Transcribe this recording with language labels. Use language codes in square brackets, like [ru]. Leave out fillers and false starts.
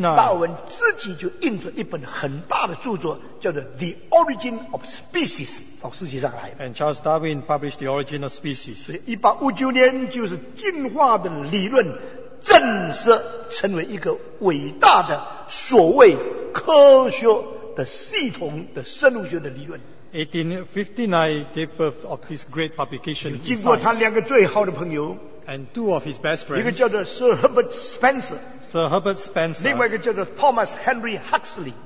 [zh] 达尔文自己就印了一本很大的著作, 叫做 The Origin of Species, 到世界上来了。 [en] And Charles Darwin published The Origin of Species. [zh] 1859年就是进化的理论正式成为一个伟大的所谓科学的系统的生物学的理论。 [en] 1859 gave birth of this great publication. [zh] 经过他两个最好的朋友, [en] and two of his best friends, [zh] 一个叫做 Sir Herbert Spencer, [en] Sir Herbert Spencer, [zh] 另外一个叫做 Thomas Henry Huxley,